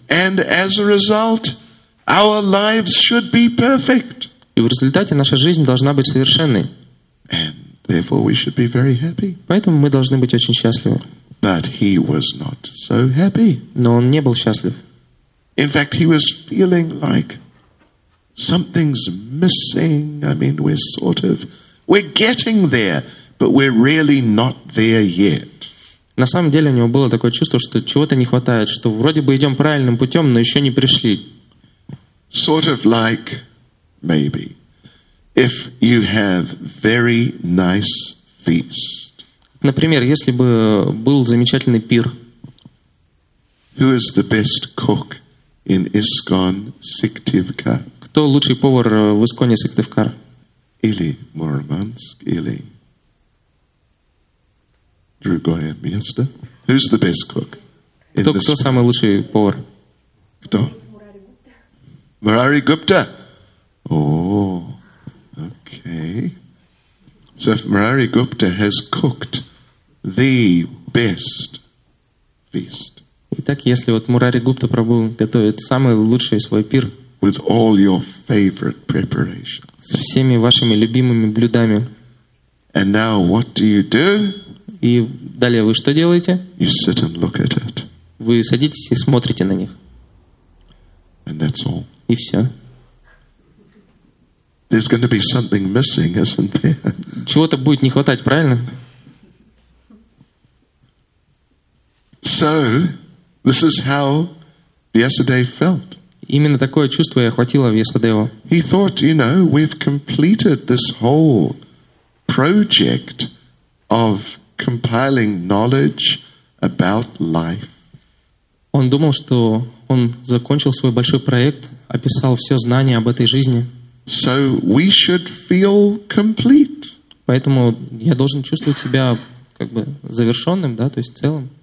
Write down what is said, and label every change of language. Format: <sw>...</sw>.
<en>And as a result, our lives should be perfect.</en> <ru>И в результате наша жизнь должна быть совершенной.</ru> <en>And therefore we should be very happy.</en> <ru>Поэтому мы должны быть очень счастливы.</ru> <en>But he was not so happy.</en> <ru>Но он не был счастлив.</ru> <en>In fact, he was feeling like something's missing. I mean, we're getting there, but we're really not there yet.</en> <ru>На самом деле у него было такое чувство, что чего-то не хватает, что вроде бы идем правильным путем, но еще не пришли.</ru> <en>Sort of like, maybe, if you have very nice feast.</en> <ru>Например, если бы был замечательный пир.</ru> <en>Who is the best cook in ISKCON Syktyvkar?</en> <ru>Кто лучший повар в ИСКОНе Сыктывкар? Или Мурманск, или другое место.</ru> <en>Who's the best cook?</en> <ru>Кто самый лучший повар? Кто? Мурари Гупта. Окей.</ru> <en>So if Мурари Гупта has cooked the best feast.</en> <ru>Итак, если вот Мурари Гупта пробует готовить самый лучший свой пир.</ru> <en>With all your favorite preparations.</en> <ru>Со всеми вашими любимыми блюдами.</ru> <en>And now what do you do?</en> <ru>И далее вы что делаете?</ru> <en>You sit and look at it.</en> <ru>Вы садитесь и смотрите на них.</ru> <en>And that's all.</en> <ru>И все.</ru> <en>There's going to be something missing, isn't there?</en> <ru>Чего-то будет не хватать, правильно?</ru> <en>So, this is how Vyasadeva felt.</en> <ru>Именно такое чувство и охватило Вьясадеву.</ru> <en>He thought, you know, we've completed this whole project of compiling knowledge about life.</en> <ru>Он думал, что он закончил свой большой проект, описал все знания об этой жизни.</ru> <en>So we should feel complete.</en> <ru>Поэтому я должен чувствовать себя как бы завершенным, да, то есть целым.</ru>